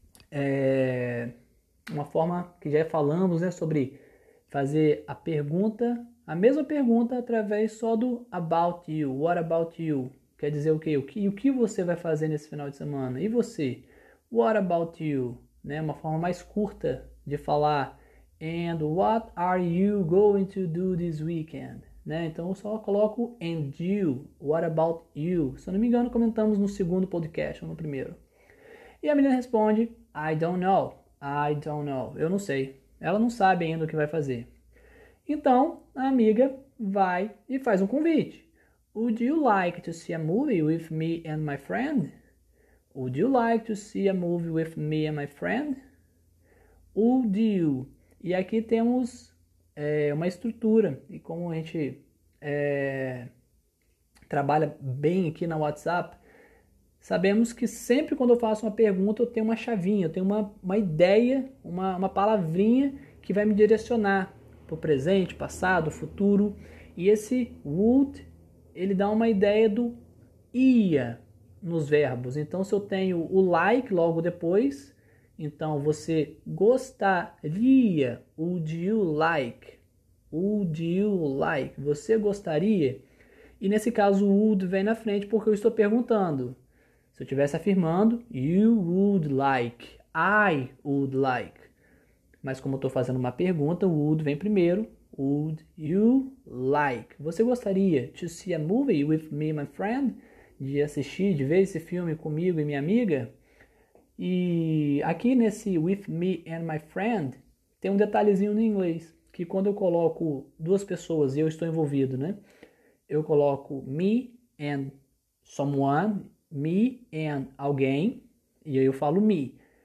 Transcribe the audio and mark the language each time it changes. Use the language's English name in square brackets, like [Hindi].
[Portuguese] É uma forma que já falamos, né, sobre fazer a pergunta, a mesma pergunta através só do about you. [English] What about you? [Portuguese] Quer dizer o quê? O que você vai fazer nesse final de semana? E você? [English] What about you? [Portuguese] Né, uma forma mais curta de falar. [English] And what are you going to do this weekend? [Portuguese] Né? Então eu só coloco [English] and you, what about you? [Portuguese] Se eu não me engano, comentamos no segundo podcast ou no primeiro. E a menina responde, [English] I don't know, [Portuguese] eu não sei. Ela não sabe ainda o que vai fazer. Então a amiga vai e faz um convite. [English] Would you like to see a movie with me and my friend? Would you like to see a movie with me and my friend? Would you? [Portuguese] E aqui temos uma estrutura, e como a gente trabalha bem aqui na WhatsApp, sabemos que sempre quando eu faço uma pergunta, eu tenho uma chavinha, eu tenho uma ideia, uma palavrinha que vai me direcionar para o presente, passado, futuro. E esse would, ele dá uma ideia do ia nos verbos. Então, se eu tenho o like logo depois, então, você gostaria, [English] would you like, would you like, [Portuguese] você gostaria? E nesse caso, would vem na frente porque eu estou perguntando. Se eu estivesse afirmando, [English] you would like, I would like. [Portuguese] Mas como eu estou fazendo uma pergunta, o would vem primeiro, would you like. Você gostaria [English] to see a movie with me and my friend? [Portuguese] De assistir, de ver esse filme comigo e minha amiga? E aqui nesse [English] with me and my friend, [Portuguese] tem um detalhezinho no inglês, que quando eu coloco duas pessoas e eu estou envolvido, né? Eu coloco [English] me and someone, [Portuguese] me and alguém, e aí eu falo me.